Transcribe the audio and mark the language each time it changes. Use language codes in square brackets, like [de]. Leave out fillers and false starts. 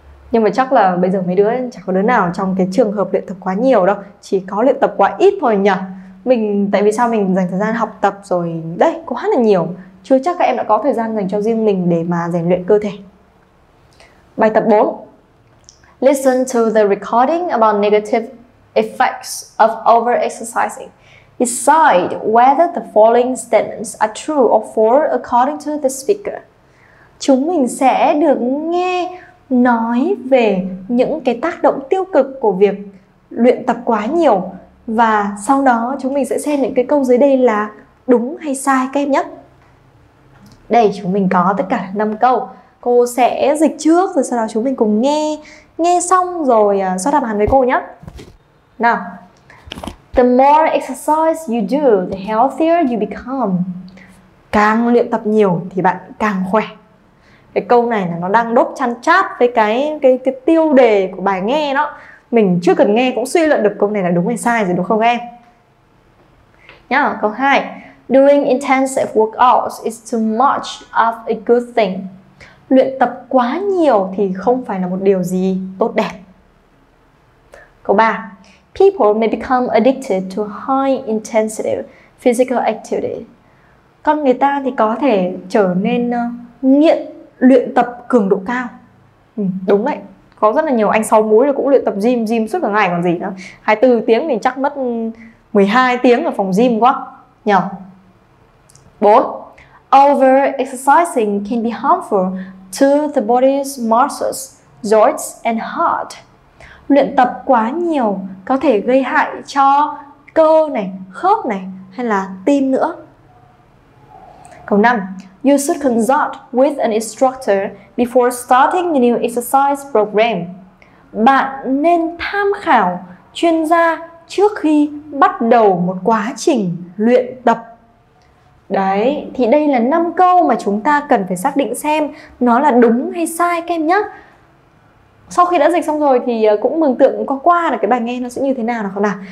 [vi] Nhưng mà chắc là bây giờ mấy đứa chẳng có đứa nào trong cái trường hợp luyện tập quá nhiều đâu. Chỉ có luyện tập quá ít thôi nhỉ. Mình, tại vì sao mình dành thời gian học tập rồi đây, quá là nhiều. Chưa chắc các em đã có thời gian dành cho riêng mình để mà rèn luyện cơ thể. Bài tập 4. [en] Listen to the recording about negative effects of overexercising. Decide whether the following statements are true or false according to the speaker. [vi] Chúng mình sẽ được nghe nói về những cái tác động tiêu cực của việc luyện tập quá nhiều. Và sau đó chúng mình sẽ xem những cái câu dưới đây là đúng hay sai các em nhé. Đây chúng mình có tất cả 5 câu. Cô sẽ dịch trước rồi sau đó chúng mình cùng nghe. Nghe xong rồi soát đáp án với cô nhé. Nào. [en] The more exercise you do, the healthier you become. [vi] Càng luyện tập nhiều thì bạn càng khỏe. Cái câu này là nó đang đốt chăn chát với cái tiêu đề của bài nghe đó. Mình chưa cần nghe cũng suy luận được câu này là đúng hay sai rồi đúng không em? Nhá, câu 2. [en] Doing intensive workouts is too much of a good thing. [vi] Luyện tập quá nhiều thì không phải là một điều gì tốt đẹp. Câu 3. [en] People may become addicted to high intensity physical activity. [vi] Con người ta thì có thể trở nên nghiện luyện tập cường độ cao. Đúng đấy. Có rất là nhiều anh 6 múi cũng luyện tập gym, gym suốt cả ngày còn gì nữa. 24 tiếng thì chắc mất 12 tiếng ở phòng gym quá. Nhờ. 4. [en] Over exercising can be harmful to the body's muscles, joints and heart. [vi] Luyện tập quá nhiều có thể gây hại cho cơ này, khớp này hay là tim nữa. Câu 5. [en] You should consult with an instructor before starting the new exercise program. [vi] Bạn nên tham khảo chuyên gia trước khi bắt đầu một quá trình luyện tập. Đấy, thì đây là 5 câu mà chúng ta cần phải xác định xem nó là đúng hay sai các em nhé. Sau khi đã dịch xong rồi thì cũng mường tượng qua là cái bài nghe nó sẽ như thế nào nào không nào.